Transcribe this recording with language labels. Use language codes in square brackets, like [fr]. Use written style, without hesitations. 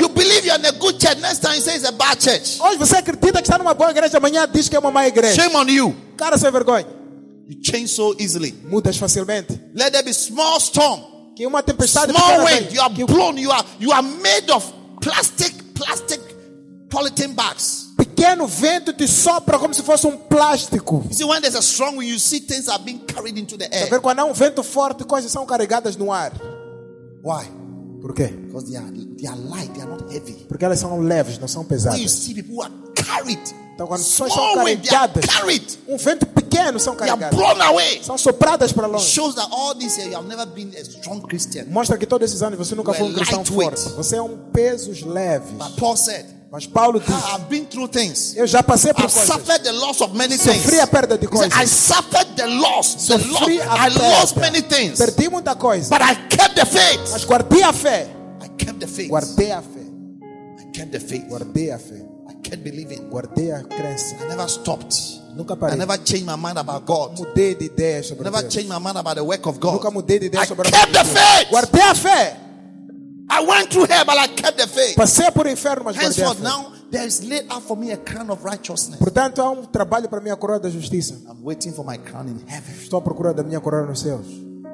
[en] You believe you are in a good church, next time you say it's a bad church. [pt] Hoje você acredita que está numa boa igreja, amanhã diz que é uma má igreja. [en] Shame on you. [pt] Cara, sem vergonha. [en] You change so easily. [pt] Mudas facilmente. [en] Let there be small storm. [pt] Que uma tempestade [en] small wind, you are blown, you are made of plastic polythene bags. [pt] Pequeno vento te sopra como se fosse plástico. [en] You see, when there's a strong wind, you see things are being carried into the air. [pt] Tá vendo? Quando há vento forte, coisas são carregadas no ar. [en] Why? [pt] Por quê? [en] Because they are light, they are not heavy. [pt] Porque elas são leves, não são pesadas. [en] When you see people who are carried. [pt] Então, quando só são carregadas, [en] carried, [pt] vento pequeno são carregadas, [en] blown away, [pt] são sopradas para longe. [en] Shows that all this year you have never been a strong Christian. [pt] Mostra que todos esses anos você nunca foi um cristão forte. Você é um peso leve. [en] But Paul said, [pt] mas Paulo diz, [en] I've been through things. [pt] Eu já passei por [en] I've [pt] coisas. [en] Suffered the loss of many things. [pt] Sofri a perda de coisas. [en] Said, I suffered the loss. [pt] Sofri [en] the loss. I lost many things. [pt] Perdi muita coisa. [en] But I kept the faith. [pt] Mas guardei a fé. [en] I kept the faith. [pt] Guardei a fé. [en] I kept the faith. [pt] Guardei a fé. [en] Can't believe it. [pt] Guardei a crença. [en] I never stopped. [pt] Nunca parei. [en] I never changed my mind about God. [pt] Mudei de ideia sobre [en] I never [pt] Deus. [en] Changed my mind about the work of God. [pt] Nunca mudei de ideia [en] I [pt] sobre [en] kept the faith. [pt] Guardei a fé. [en] I went through hell, but I kept the faith. [pt] Passei por inferno, mas [en] henceforth, [pt] guardei a fé. [en] Now there is laid out for me a crown of righteousness. [pt] Portanto, há trabalho para mim a coroa da justiça. [en] I'm waiting for my crown in heaven. [pt] Estou à procura da minha coroa nos céus.